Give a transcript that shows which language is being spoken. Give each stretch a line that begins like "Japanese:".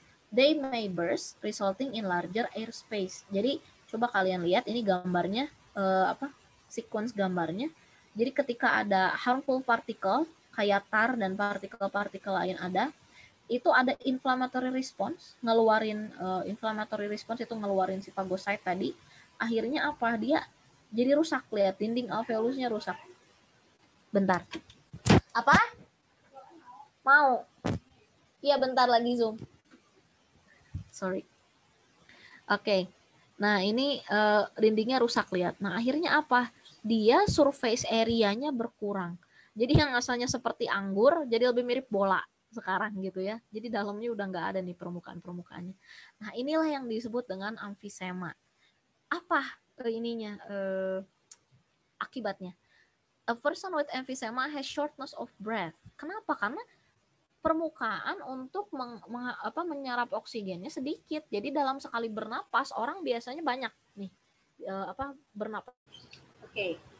English: They may burst, resulting in larger air space.
Indonesian: Jadi, coba kalian lihat ini gambarnya, sequence gambarnya. Jadi, ketika ada harmful particle, kayak tar dan partikel-partikel lain ada, itu ada inflammatory response, ngeluarin inflammatory response itu ngeluarin si fagosit tadi. Akhirnya apa? Dia jadi rusak, lihat dinding alveolusnya rusak. Bentar. Apa? Mau? Iya, bentar lagi Zoom. Sorry. Okay. Nah, ini dindingnya rusak, lihat. Nah, akhirnya apa? Dia surface area-nya berkurang. Jadi yang asalnya seperti anggur, jadi lebih mirip bola sekarang gitu ya. Jadi dalamnya udah nggak ada nih permukaan-permukaannya. Nah, inilah yang disebut dengan amfisema. Apa ininya akibatnya?
English: A person with emphysema has shortness of breath.
Indonesian: Kenapa? Karena permukaan untuk menyerap oksigennya sedikit. Jadi dalam sekali bernapas orang biasanya banyak nih bernapas. Okay.